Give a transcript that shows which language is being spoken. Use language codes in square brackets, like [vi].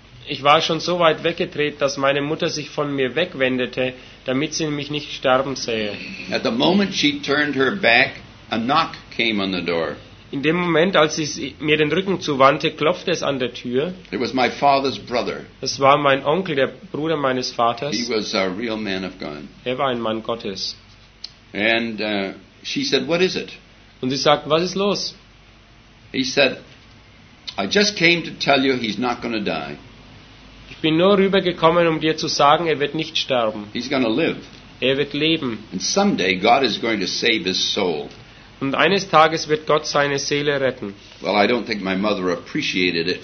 [de] Ich war schon so weit weggedreht, dass meine Mutter sich von mir wegwendete, damit sie mich nicht sterben sähe. [en] At the moment she turned her back, a knock came on the door. [de] In dem Moment, als sie mir den Rücken zuwandte, klopfte es an der Tür. [en] It was my father's brother. [de] Es war mein Onkel, der Bruder meines Vaters. [en] He was a real man of God. [de] Er war ein Mann Gottes. [en] And she said, "What is it?" [de] Und sie sagt, was ist los? [en] He said, "I just came to tell you he's not going to die." [de] Ich bin nur rübergekommen, um dir zu sagen, er wird nicht sterben. [en] He's gonna live. [de] Er wird leben. [en] And someday God is going to save his soul. [de] Und eines Tages wird Gott seine Seele retten. [en] Well, I don't think my mother appreciated it.